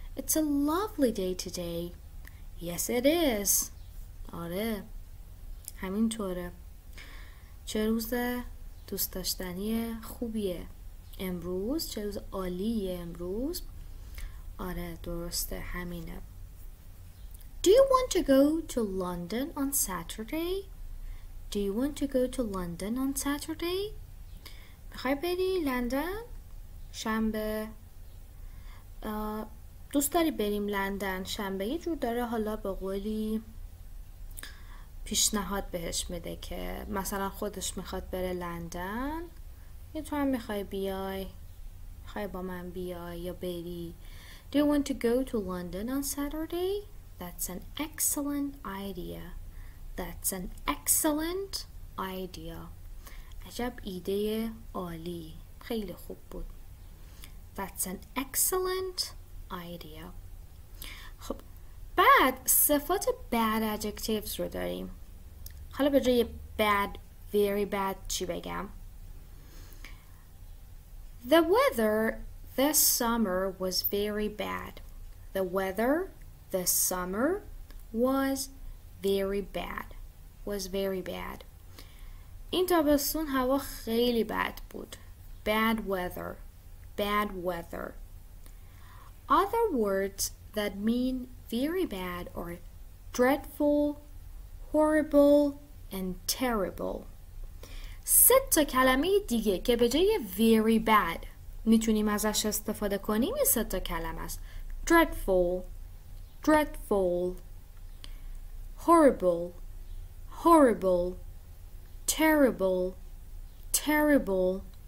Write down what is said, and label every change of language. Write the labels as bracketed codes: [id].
[en] It's a lovely day today. Yes it is. [fa] آره همینطوره. چه روز دوست داشتنی خوبیه امروز، چه روز عالیه امروز. آره درسته همینه. [en] Do you want to go to London on Saturday? Do you want to go to London on Saturday? [fa] میخوای بری لندن شنبه؟ دوست داری بریم لندن شنبه؟ یه جور داره حالا به قولی پیشنهاد بهش میده که مثلا خودش میخواد بره لندن، یه تو هم میخوای بیای، میخوای با من بیای یا بری. [en] Do you want to go to London on Saturday? That's an excellent idea. That's an excellent idea. [fa] عجب ایده عالی. خیلی خوب بود. [en] That's an excellent idea. [fa] خب بعد صفات bad adjectives رو داریم. حالا به جای [en] bad, very bad [fa] چی بگم؟ [en] The weather this summer was very bad. The weather this summer was very bad. Was very bad. [fa] این تابستون هوا خیلی بد بود. [en] Bad weather. Bad weather. Other words that mean very bad are dreadful, horrible, and terrible. [fa] سه تا کلمه دیگه که به جای very bad میتونیم ازش استفاده کنیم این سه تا کلمه است. [en] Dreadful, dreadful, horrible, horrible, terrible, terrible.